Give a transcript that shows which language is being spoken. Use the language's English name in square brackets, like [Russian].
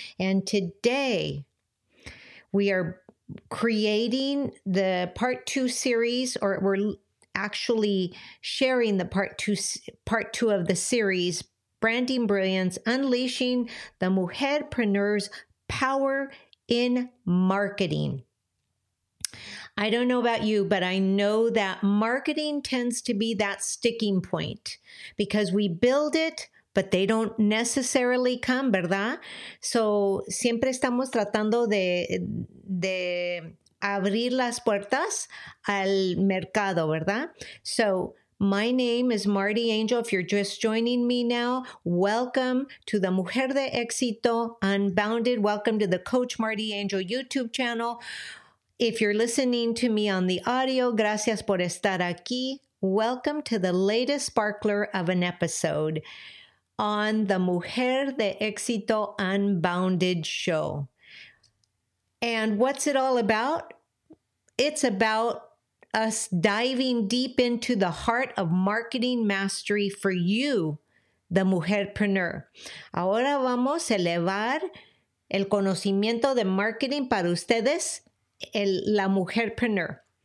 [English] And today we are creating the part two series, or we're actually sharing the part two of the series, Branding Brilliance, Unleashing the Mujerpreneur's Power in Marketing. I don't know about you, but I know that marketing tends to be that sticking point because we build it, but they don't necessarily come, ¿verdad? [Spanish] So, siempre estamos tratando de abrir las puertas al mercado, ¿verdad? [English] So, my name is Marty Angel. If you're just joining me now, welcome to the Mujer de Éxito Unbounded. Welcome to the Coach Marty Angel YouTube channel. If you're listening to me on the audio, [Spanish] gracias por estar aquí. [English] Welcome to the latest sparkler of an episode on the Mujer de Éxito Unbounded show. And what's it all about? It's about us diving deep into the heart of marketing mastery for you, the mujerpreneur. [Spanish] Ahora vamos a elevar el conocimiento de marketing para ustedes, la mujerpreneur.